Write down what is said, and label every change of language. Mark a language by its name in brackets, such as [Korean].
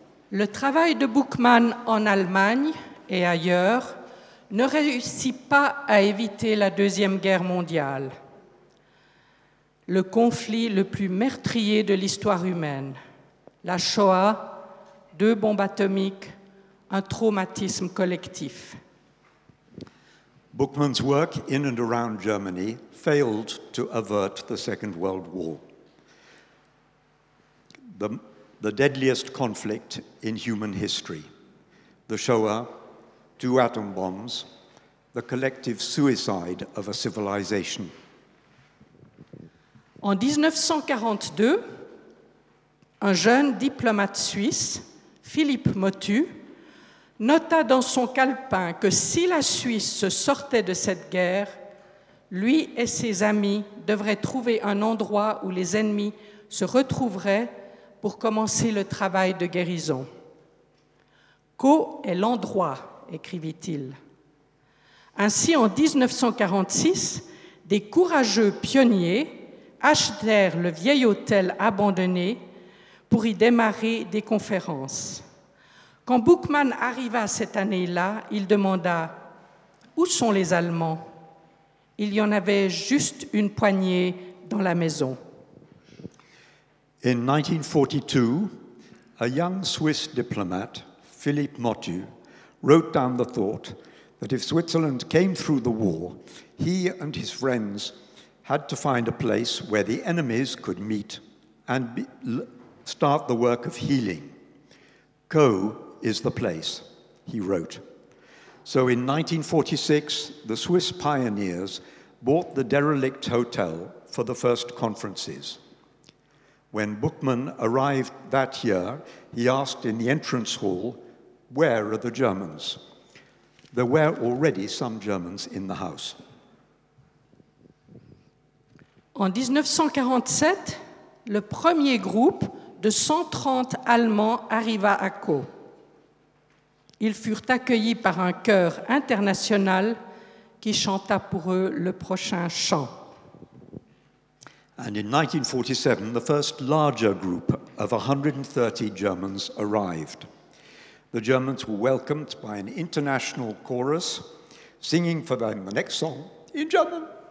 [French] Le travail de Buchmann en Allemagne et ailleurs ne réussit pas à éviter la Deuxième Guerre mondiale, le conflit le plus meurtrier de l'histoire humaine, la Shoah, deux bombes atomiques, un traumatisme collectif. [English] Buchmann's work in and around Germany failed to avert the Second World War, the deadliest conflict in human history, the Shoah, two atom bombs, the collective suicide of a civilization. [French] En 1942, un jeune diplomate suisse, Philippe Motu, nota dans son calepin que si la Suisse se sortait de cette guerre, lui et ses amis devraient trouver un endroit où les ennemis se retrouveraient pour commencer le travail de guérison. Caux est l'endroit, écrivit-il. Ainsi, en 1946, des courageux pionniers achetèrent le vieil hôtel abandonné pour y démarrer des conférences. Quand Buchmann arriva cette année-là, il demanda « Où sont les Allemands ?» Il y en avait juste une poignée dans la maison. [English] In 1942, a young Swiss diplomat, Philippe Motu, wrote down the thought that if Switzerland came through the war, he and his friends had to find a place where the enemies could meet and start the work of healing. Caux is the place, he wrote. So in 1946, the Swiss pioneers bought the derelict hotel for the first conferences. When Buchmann arrived that year, he asked in the entrance hall, where are the Germans? There were already some Germans in the house. [French] En 1947, le premier groupe de 130 Allemands arriva à Caux. Ils furent accueillis par un chœur international qui chanta pour eux le prochain chant. [English] And in 1947, the first larger group of 130 Germans arrived. The Germans were welcomed by an international chorus, singing for them the next song in German.